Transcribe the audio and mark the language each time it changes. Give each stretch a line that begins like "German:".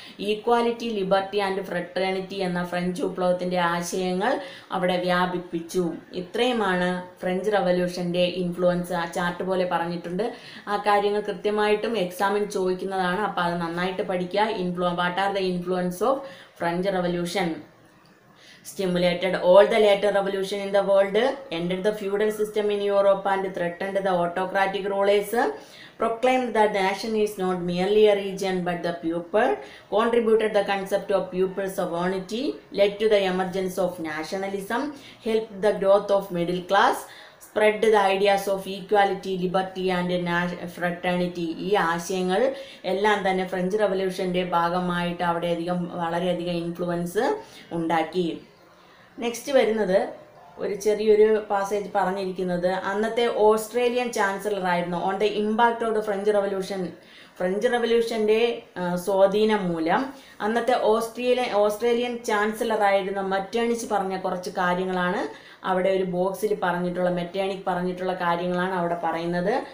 Malayalam: Equality, liberty and fraternity എന്ന French വിപ്ലവത്തിൻ്റെ ആശയങ്ങൾ അവിടെ വ്യാപിപ്പിച്ചു. ഇത്രയുമാണ് ഫ്രഞ്ച് റെവല്യൂഷൻ്റെ ഇൻഫ്ലുവൻസ്. ആ ചാർട്ട് പോലെ പറഞ്ഞിട്ടുണ്ട്. ആ കാര്യങ്ങൾ കൃത്യമായിട്ടും എക്സാമിന് ചോദിക്കുന്നതാണ്. അപ്പോൾ അത് നന്നായിട്ട് പഠിക്കുക.
English: What are the influence of French revolution? Stimulated all the later revolution in the world, ended the feudal system in Europe and threatened the autocratic rulers. Proclaimed that the nation is not merely a region but the people. Contributed the concept of people sovereignty. Led to the emergence of nationalism. Helped the growth of middle class. Spread the ideas of equality, liberty and fraternity.
Malayalam: ഈ ആശയങ്ങൾ എല്ലാം തന്നെ French റെവല്യൂഷൻ്റെ ഭാഗമായിട്ട് അവിടെയധികം വളരെയധികം influence ഉണ്ടാക്കി. Next വരുന്നത് ഒരു ചെറിയൊരു പാസേജ് പറഞ്ഞിരിക്കുന്നത് അന്നത്തെ ഓസ്ട്രേലിയൻ ചാൻസലർ ആയിരുന്നു
English: on the impact of the French revolution
Malayalam: French റവല്യൂഷന്റെ സ്വാധീനം മൂലം അന്നത്തെ ഓസ്ട്രേലിയൻ ചാൻസലർ ആയിരുന്ന മറ്റേണിച്ച് പറഞ്ഞ കുറച്ച് കാര്യങ്ങളാണ് അവിടെ ഒരു ബോക്സിൽ പറഞ്ഞിട്ടുള്ള മെറ്റേണിക് പറഞ്ഞിട്ടുള്ള കാര്യങ്ങളാണ് അവിടെ പറയുന്നത്.